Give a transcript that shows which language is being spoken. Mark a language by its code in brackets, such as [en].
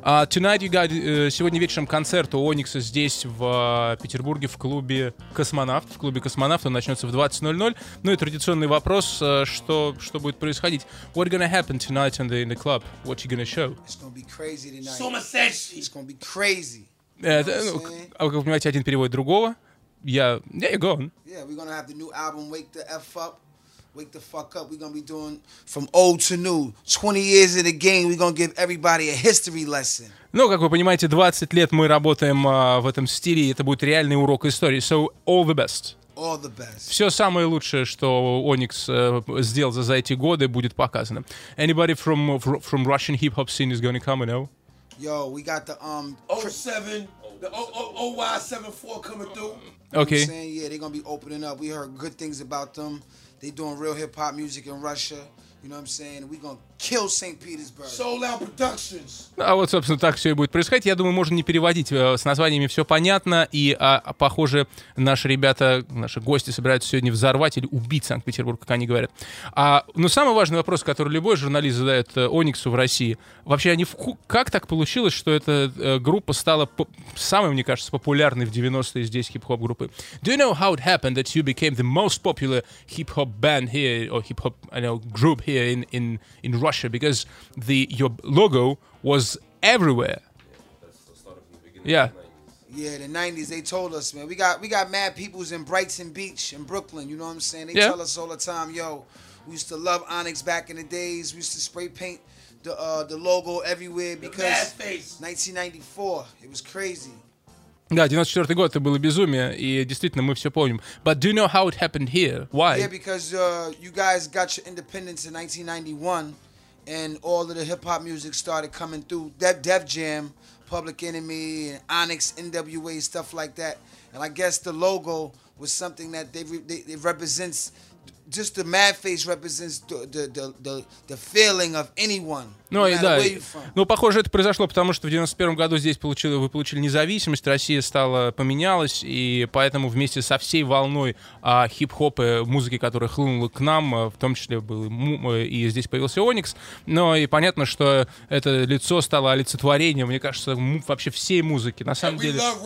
[en] Tonight you got, [ru] сегодня вечером концерт у Оникса здесь, в Петербурге, в клубе «Космонавт». В клубе «Космонавт» он начнется в 20:00. Ну и традиционный вопрос, что будет происходить. [en] What gonna happen tonight in the club? What you gonna show? It's gonna be crazy tonight. [ru] Сумасшедший! [en] It's gonna be crazy. [ru] Как вы понимаете, один переводит другого. [en] Yeah, you're going. Yeah, we're gonna have the new album Wake the F Up. Wake the fuck up. We're gonna be doing from old to new. 20 years in the game. We're gonna give everybody a history lesson. [ru] Ну, как вы понимаете, 20 лет мы работаем в этом стиле, и это будет реальный урок истории. [en] So, all the best. All the best. [ru] Все самое лучшее, что Onyx сделал за эти годы, будет показано. [en] Anybody from Russian hip-hop scene is gonna come, you know? Yo, we got the 07, the OY74 coming through. Okay. You know what I'm saying? Yeah, they're gonna be opening up. We heard good things about them. They doing real hip-hop music in Russia. You know what I'm saying? We gonna kill St. Petersburg. Soul Out Productions. [ru] Ну, а вот, собственно, так все и будет происходить. Я думаю, можно не переводить. С названиями все понятно. И, похоже, наши ребята, наши гости собираются сегодня взорвать или убить Санкт-Петербург, как они говорят. Но самый важный вопрос, который любой журналист задает Ониксу в России. Вообще, как так получилось, что эта группа стала самой, мне кажется, популярной в 90-е здесь хип-хоп группы? [en] Do you know how it happened that you became the most popular hip-hop band here, or hip-hop, I know, group? Here in Russia, because your logo was everywhere. Yeah, that's the start of the beginning. Yeah, the 90s. They told us, man, we got mad peoples in Brighton Beach in Brooklyn. You know what I'm saying? They tell us all the time, yo, we used to love Onyx back in the days. We used to spray paint the logo everywhere because 1994. It was crazy. [ru] Да, 94-й год, это было безумие, и действительно, мы все помним. [en] But do you know how it happened here? Why? Yeah, because you guys got your independence in 1991, and all of the hip-hop music started coming through. Def Jam, Public Enemy, and Onyx, NWA, stuff like that. And I guess the logo was something that they represents, just the mad face represents the feeling of anyone. [ru] Ну, и да. Ну, похоже, это произошло, потому что в 91-м году здесь вы получили независимость, Россия поменялась, и поэтому вместе со всей волной хип-хопа, музыки, которая хлынула к нам, в том числе был и здесь появился Onyx. Но и понятно, что это лицо стало олицетворением, мне кажется, вообще всей музыки. На самом деле.